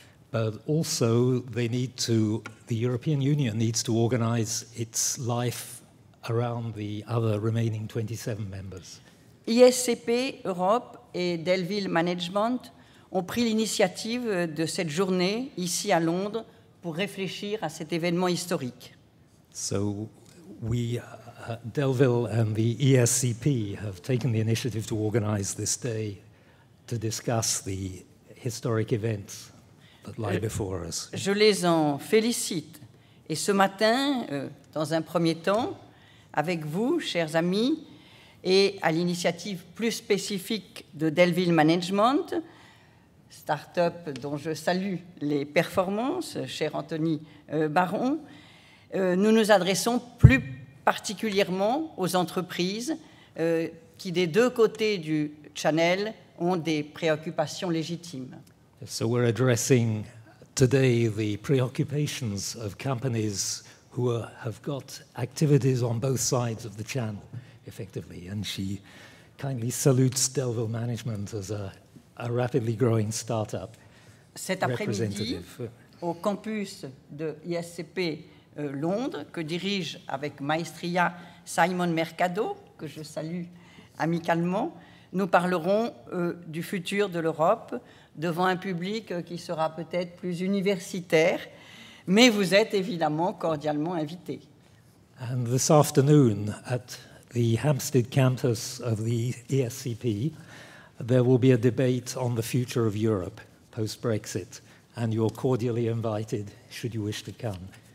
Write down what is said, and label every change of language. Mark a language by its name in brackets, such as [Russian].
[English] But also they need to, the European Union needs to organize its life around the other remaining 27 members. [French] ESCP Europe et Delville Management ont pris l'initiative de cette journée ici à Londres pour réfléchir à cet événement historique. [English] So we Delville and the ESCP have taken the initiative to organize this day to discuss the historic events that lie before us. [French] Je les en félicite. Et ce matin, dans un premier temps, avec vous, chers amis, et à l'initiative plus spécifique de Delville Management, start-up dont je salue les performances, cher Anthony Barrault, nous nous adressons plus particulièrement aux entreprises qui, des deux côtés du channel, ont des préoccupations légitimes. [English] So we're addressing today the preoccupations of companies who have got activities on both sides of the channel, effectively. And she kindly salutes Delville Management as a rapidly growing startup. [French] Cet après-midi, au campus de ISCP Londres, que dirige avec maestria Simon Mercado, que je salue amicalement, nous parlerons du futur de l'Europe devant un public qui sera peut-être plus universitaire, mais vous êtes évidemment cordialement invité. [English] And this afternoon at the Hampstead campus of the ESCP, there will be a debate on the future of Europe post-Brexit, and you're cordially invited should you wish to come.